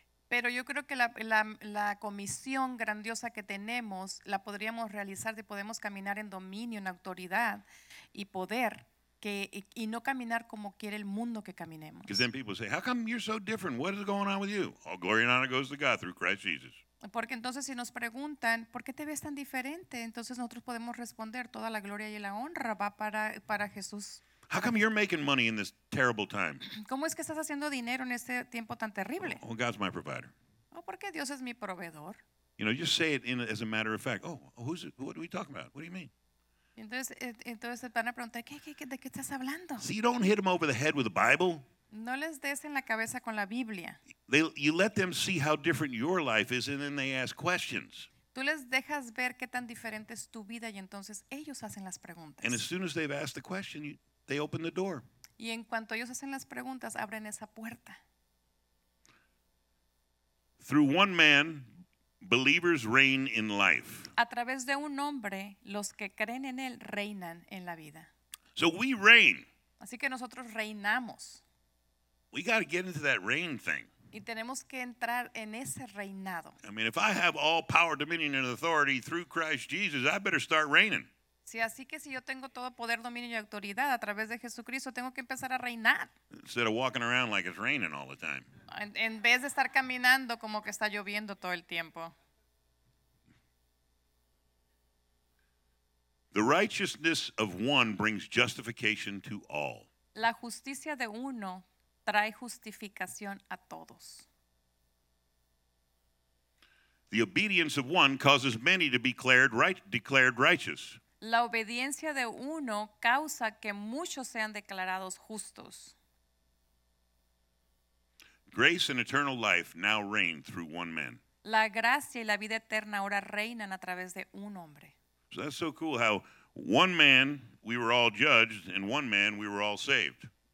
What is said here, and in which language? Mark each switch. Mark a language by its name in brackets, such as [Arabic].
[Spanish] Pero yo creo que la comisión grandiosa que tenemos la podríamos realizar de podemos caminar en dominio, en autoridad y poder y no caminar como quiere el mundo que caminemos. [English] Because then people say, how come you're so different? What is going on with you? All glory and honor goes to God through Christ Jesus. [Spanish] Porque entonces si nos preguntan, ¿por qué te ves tan diferente? Entonces nosotros podemos responder, toda la gloria y la honra va para Jesús. [English] How come you're making money in this terrible time? [Spanish] ¿Cómo es que estás haciendo dinero en este tiempo tan terrible? [English] Oh, God's my provider. [Spanish] ¿O por qué Dios es mi proveedor? [English] You know, just say it in, as a matter of fact. Oh, who's it? What are we talking about? What do you mean? [Spanish] Entonces van a preguntar, ¿de qué estás hablando? [English] So you don't hit them over the head with the Bible. [Spanish] No les des en la cabeza con la Biblia. [English] You let them see how different your life is, and then they ask questions. [Spanish] Tú les dejas ver qué tan diferente es tu vida, y entonces ellos hacen las preguntas. [English] And as soon as they've asked the question, they open the door. [Spanish] Y en cuanto ellos hacen las preguntas, abren esa puerta. [English] Through one man, believers reign in life. [Spanish] A través de un hombre, los que creen en él reinan en la vida. [English] So we reign. [Spanish] Así que nosotros reinamos. [English] We got to get into that reign thing. [Spanish] Y tenemos que entrar en ese reinado. [English] I mean, if I have all power, dominion, and authority through Christ Jesus, I better start reigning. [Spanish] Sí, así que si yo tengo todo poder, dominio y autoridad a través de Jesucristo, tengo que empezar a reinar. [English] Instead of walking around like it's raining all the time. [Spanish] En vez de estar caminando como que está lloviendo todo el tiempo. [English] The righteousness of one brings justification to all. [Spanish] La justicia de uno trae justificación a todos. [English] The obedience of one causes many to be declared righteous. [Spanish] La obediencia de uno causa que muchos sean declarados justos. [English] Grace and eternal life now reign through one man. [Spanish] La gracia y la vida eterna ahora reinan a través de un hombre. [English] So that's so cool how one man we were all judged and one man we were all saved.